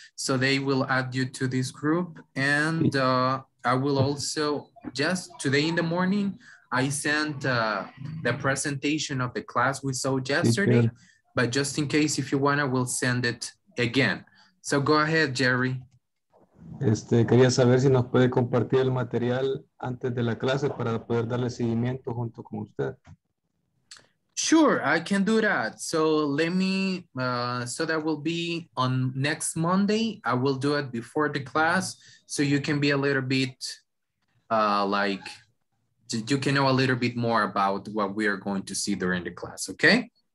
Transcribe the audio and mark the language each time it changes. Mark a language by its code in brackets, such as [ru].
[en] So they will add you to this group, and I will also, just today in the morning, I sent the presentation of the class we saw yesterday, but just in case, if you want, I will send it again. So go ahead, Jerry. [es] Quería saber si nos puede compartir el material antes de la clase para poder darle seguimiento junto con usted. [en] Sure, I can do that. So let me, so that will be on next Monday. I will do it before the class. So you can be a little bit like, you can know a little bit more about what we are going to see during the class, okay?